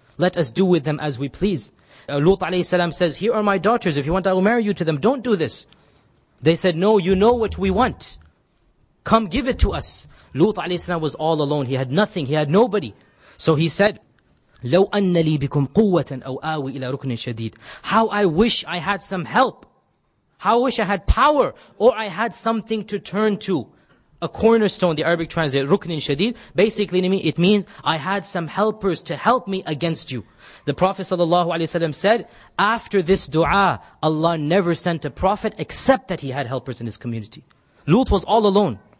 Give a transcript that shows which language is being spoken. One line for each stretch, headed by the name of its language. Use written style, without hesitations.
English: Let us do with them as we please." Lut alayhi salam says, "Here are my daughters. If you want, I will marry you to them. Don't do this." They said, "No, you know what we want. Come give it to us." Lut alayhi salam was all alone. He had nothing. He had nobody. So he said,
Arabic: "لو أن لي بكم قوة أو آوي إلى ركن شديد."
English: How I wish I had some help. How I wish I had power, or I had something to turn to. a cornerstone, the Arabic translation, ruknin shadid, basically it means I had some helpers to help me against you. The Prophet ﷺ said, after this dua, Allah never sent a prophet except that he had helpers in his community. Lut was all alone.